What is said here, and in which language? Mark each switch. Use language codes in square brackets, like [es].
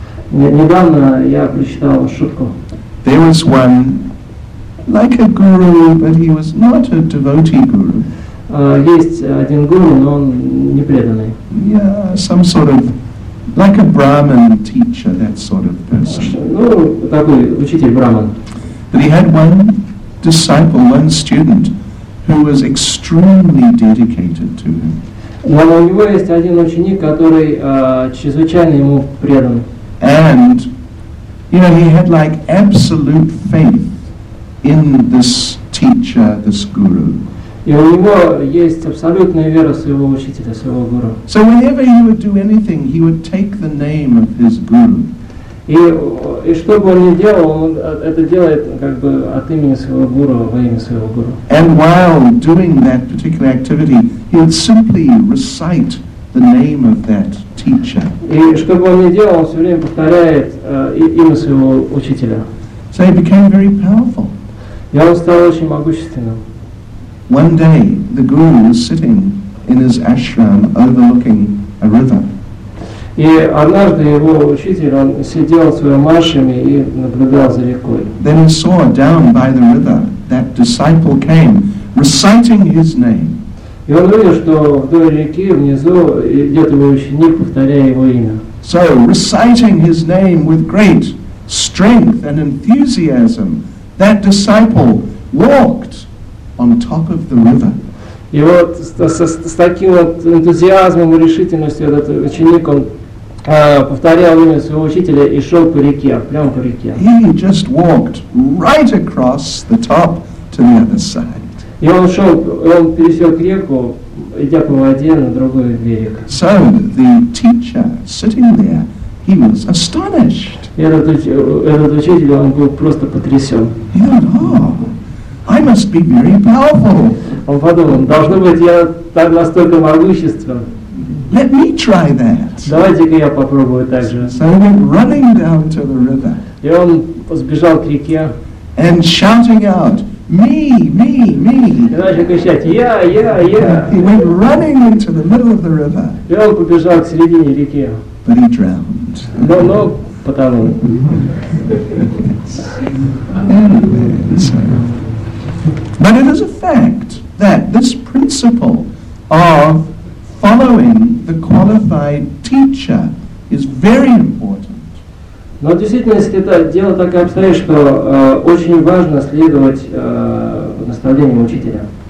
[ru] Недавно я прочитал шутку. [en] There was one like a guru, but he was not a devotee guru. [ru] Есть один гуру, но он не преданный. [en] Yeah, some sort of like a Brahmin teacher, that sort of person. [ru] Ну, такой учитель Брахман. [en] But he had one disciple, one student, who was extremely dedicated to him. [ru] Но у него есть один ученик, который чрезвычайно ему предан. [en] And You know, he had like absolute faith in this teacher, this guru. [ru] И у него есть абсолютная вера в своего учителя, своего гуру. [en] So whenever he would do anything, he would take the name of his guru. [ru] И что бы он ни делал, он это делает как бы от имени своего гуру, во имя своего гуру. [en] And while doing that particular activity, he would simply recite the name of that teacher. [ru] И что бы он ни делал, он все время повторяет имя своего учителя. [en] So he became very powerful. [ru] И он стал очень могущественным. [en] One day, the guru was sitting in his ashram overlooking a river. [ru] И однажды его учитель, он сидел в своем ашраме и наблюдал за рекой. [en] Then he saw down by the river that disciple came, reciting his name. [ru] И он увидел, что вдоль реки, внизу, идет его ученик, повторяя его имя. [en] So, reciting his name with great strength and enthusiasm, that disciple walked on top of the river. [ru] И вот с таким вот энтузиазмом и решительностью этот ученик, он повторял имя своего учителя и шел по реке, прямо по реке. [en] He just walked right across the top to the other side. [ru] И он шел, он пересек реку, идя по воде на другой берег. [en] So the teacher sitting there, he was astonished. [ru] Этот учитель, он был просто потрясен. [en] He thought, oh, I must be very powerful. [ru] Он подумал, должно быть, я так настолько могуществен. [en] Let me try that. [ru] Давайте-ка я попробую так же. [en] So he went running down to the river. [ru] И он сбежал к реке. [en] And shouting out, me, me, me. [ru] И начал кричать, я, я, я. [en] He went running into the middle of the river. [ru] И он побежал к середине реки. [en] But he drowned. [ru] Но потонул. [en] But it is a fact that this principle of following the qualified teacher is very important. [ru] Но действительно, если это дело так и обстоит, что очень важно следовать наставлениям учителя.